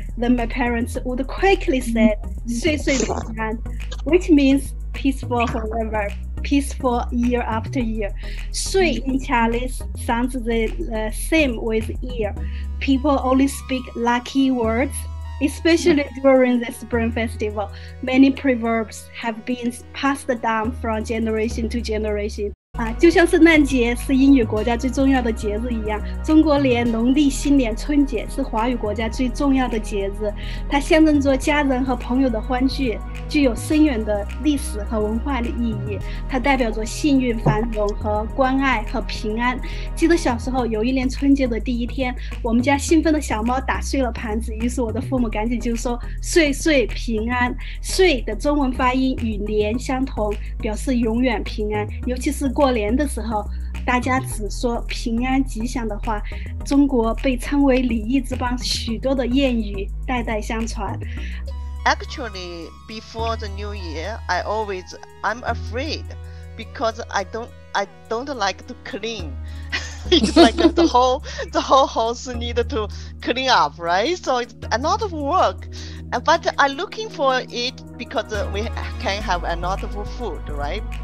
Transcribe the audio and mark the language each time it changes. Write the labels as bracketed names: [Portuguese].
[English] Then my parents would quickly say, [Chinese] "Sui sui ran," [English] which means peaceful forever, peaceful year after year. Sui in Chinese sounds the same with year. People only speak lucky words, especially during the Spring Festival. Many proverbs have been passed down from generation to generation. [Chinese] 就像圣诞节是英语国家最重要的节日一样，中国连农历新年春节是华语国家最重要的节日，它象征着家人和朋友的欢聚，具有深远的历史和文化的意义，它代表着幸运、繁荣和关爱和平安。记得小时候有一年春节的第一天，我们家兴奋的小猫打碎了盘子，于是我的父母赶紧就说岁岁平安。岁的中文发音与年相同，表示永远平安，尤其是过年的时候，大家只说平安吉祥的话，中国被称为礼仪之邦，许多的谚语代代相传。 [English] Actually, before the New Year, I'm afraid because I don't like to clean. It's like the whole house needed to clean up, right? So it's a lot of work. But I'm looking for it because we can have a lot of food, right?